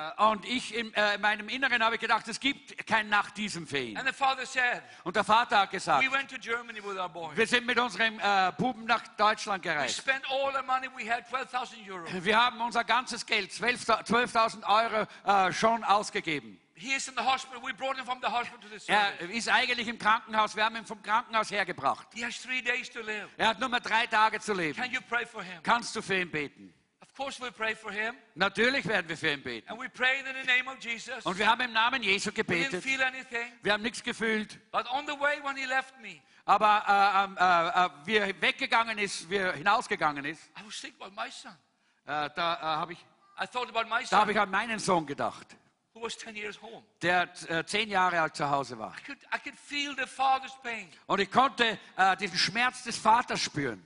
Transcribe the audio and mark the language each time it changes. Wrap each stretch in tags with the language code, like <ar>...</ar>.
<de>Und ich in meinem Inneren habe ich gedacht, es gibt kein nach diesem für ihn.</de> <en>And the father said,</en> <de>und der Vater hat gesagt,</de> <en>we went to Germany with our boy.</en> <de>Wir sind mit unserem Buben nach Deutschland gereist.</de> <en>We spent all the money we had, 12,000 Euro.</en> <de>Wir haben unser ganzes Geld, 12,000 Euro, schon ausgegeben.</de> <en>He is in the hospital. We brought him from the hospital to the service.</en> <de>Er ist eigentlich im Krankenhaus. Wir haben ihn vom Krankenhaus hergebracht.</de> <en>He has 3 days to live.</en> <de>Er hat nur mehr 3 Tage zu leben.</de> <en>Can you pray for him?</en> <de>Kannst du für ihn beten?</de> <en>Of course we pray for him.</en> <de>Natürlich werden wir für ihn beten.</de> <en>And we pray in the name of Jesus.</en> <de>Und wir haben im Namen Jesu gebetet.</de> <en>We didn't feel anything.</en> <de>Wir haben nichts gefühlt.</de> <en>But on the way when he left me,</en> <de>aber wie er weggegangen ist, wie er hinausgegangen ist,</de> <en>I was thinking about my son. I thought about my son.</en> <de>Da habe ich an meinen Sohn gedacht,</de> <en>who was 10 years home.</en> <de>Der 10 Jahre alt zu Hause war.</de> <en>I could feel the father's pain.</en> <de>Und ich konnte diesen Schmerz des Vaters spüren.</de>